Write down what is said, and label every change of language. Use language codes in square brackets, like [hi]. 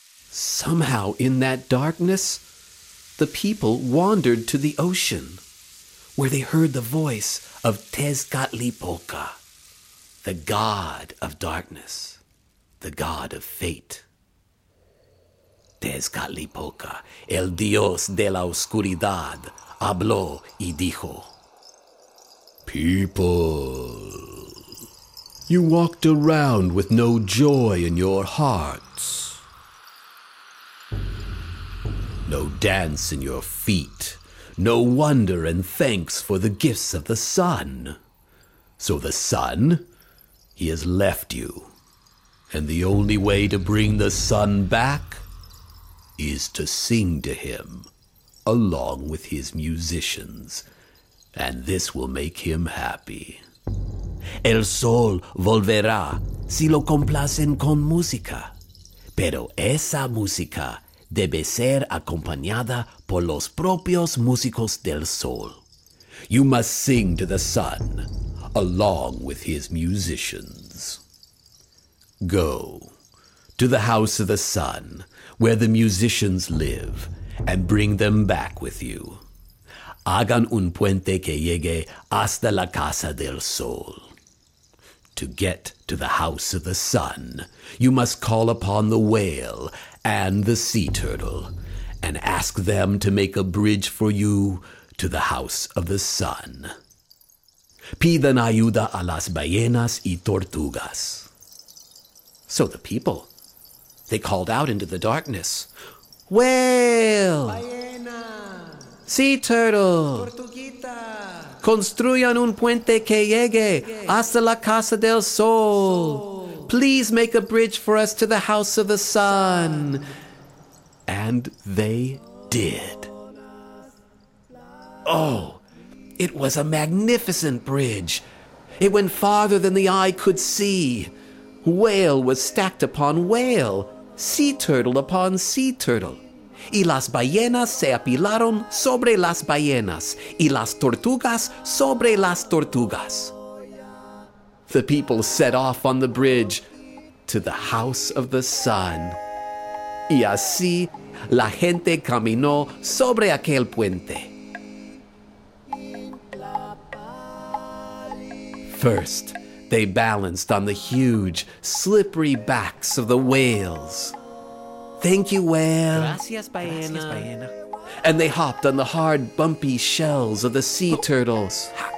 [en] Somehow, in that darkness, the people wandered to the ocean, where they heard the voice of Tezcatlipoca, the god of darkness, the god of fate. [es] Tezcatlipoca, el dios de la oscuridad, habló y dijo, [en] "People, you walked around with no joy in your hearts, no dance in your feet, no wonder and thanks for the gifts of the sun. So the sun, he has left you. And the only way to bring the sun back is to sing to him along with his musicians. And this will make him happy. [es] El sol volverá si lo complacen con música. Pero esa música debe ser acompañada por los propios músicos del sol. [en] You must sing to the sun, along with his musicians. Go to the house of the sun, where the musicians live, and bring them back with you. [es] Hagan un puente que llegue hasta la casa del sol. [en] To get to the house of the sun, you must call upon the whale and the sea turtle, and ask them to make a bridge for you to the house of the sun. [es] Pidan ayuda a las ballenas y tortugas." [en] So the people, they called out into the darkness, "Whale! [es] Ballena! [en] Sea turtle! [es] Tortuguita! Construyan un puente que llegue hasta la casa del sol! [en] Please make a bridge for us to the house of the sun." And they did. Oh, it was a magnificent bridge. It went farther than the eye could see. Whale was stacked upon whale, sea turtle upon sea turtle. [es] Y las ballenas se apilaron sobre las ballenas, y las tortugas sobre las tortugas. [en] The people set off on the bridge to the house of the sun. [es] Y así, la gente caminó sobre aquel puente. [en] First, they balanced on the huge, slippery backs of the whales. "Thank you, whale." [es] Gracias, ballena. Gracias, ballena. [en] And they hopped on the hard, bumpy shells of the sea turtles.